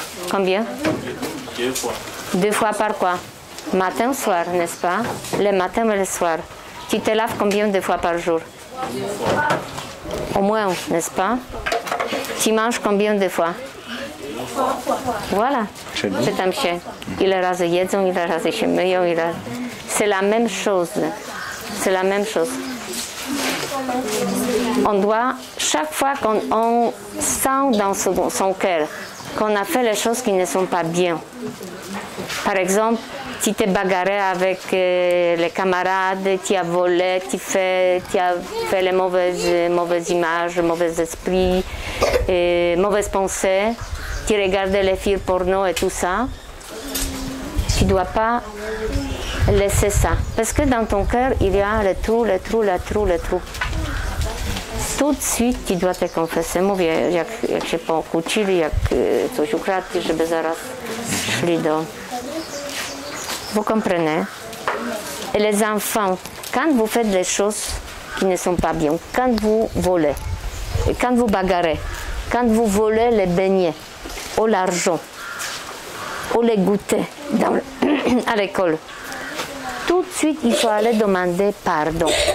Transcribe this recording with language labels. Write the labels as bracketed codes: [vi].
[fr] Combien? Deux fois. Deux fois par quoi? Matin, soir, n'est-ce pas? Le matin et le soir. Tu te laves combien de fois par jour? Une fois. Au moins, n'est-ce pas? Tu manges combien de fois? Voilà. [pl] Czyli? Pytam się, ile razy jedzą, ile razy się myją, ile... [fr] C'est la même chose. C'est la même chose. On doit, chaque fois qu'on on sent dans son cœur qu'on a fait les choses qui ne sont pas bien. Par exemple, tu t'es bagarré avec les camarades, tu as volé, tu as fait les mauvaises images, mauvais esprit, mauvaises pensées, tu regardais les films porno et tout ça. Tu ne dois pas laisser ça. Parce que dans ton cœur, il y a le trou, le trou, le trou, le trou. Tout de suite, tu dois te confesser. [pl] Mówię, jak się pokłócili, jak coś ukradli, żeby zaraz szli do... [fr] Vous comprenez? Et les enfants, quand vous faites des choses qui ne sont pas bien, quand vous volez, quand vous bagarrez, quand vous volez les beignets, ou l'argent, ou les goûters dans le... à l'école, tout de suite, il faut aller demander pardon.